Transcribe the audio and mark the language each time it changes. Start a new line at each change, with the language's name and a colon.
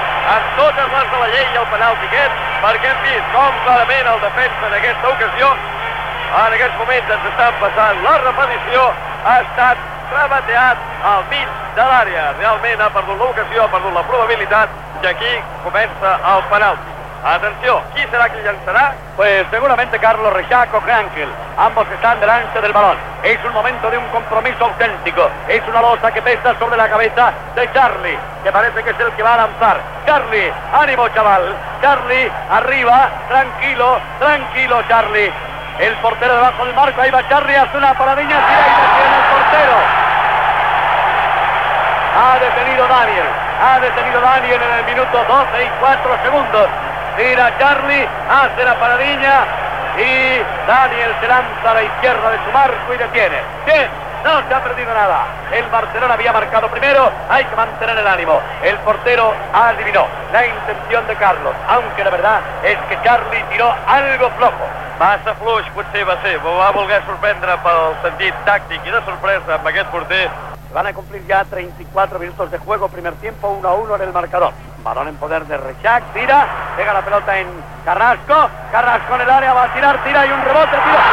Catalan: Amb totes les de la llei i el penalti aquest, perquè hem vist com clarament el defensa en aquesta ocasió, en aquests moments ens està passant la repetició, ha estat rebateat al mig de l'àrea. Realment ha perdut l'ocasió, ha perdut la probabilitat, i aquí comença el penalti. Atenció, qui serà qui llançarà?
Spanish: Pues seguramente Carlos Reixac o Krankel, ambos están delante del balón. Es un momento de un compromiso auténtico. Es una losa que pesa sobre la cabeza de Charlie, que parece que es el que va a lanzar. Charlie, ánimo chaval. Charlie, arriba, tranquilo, tranquilo Charlie. El portero debajo del marco, ahí va Charlie, hace una paradiña, tira y detiene el portero. Ha detenido Daniel, en el minuto 12 y 4 segundos. Mira Charlie, hace la paradiña y Daniel se lanza a la izquierda de su marco y detiene. Bien, no se ha perdido nada. El Barcelona había marcado primero, hay que mantener el ánimo. El portero adivinó la intención de Carlos, aunque la verdad es que Charlie tiró algo flojo.
Catalan: Massa fluix potser va ser, va voler sorprendre pel sentit tàctic i de sorpresa amb aquest porter.
Spanish: Van a cumplir ya 34 minutos de juego, primer tiempo, 1-1 en el marcador. Balón en poder de Reixac, tira, pega la pelota en Carrasco, Carrasco en el área, va a tirar, tira y un rebote, tira.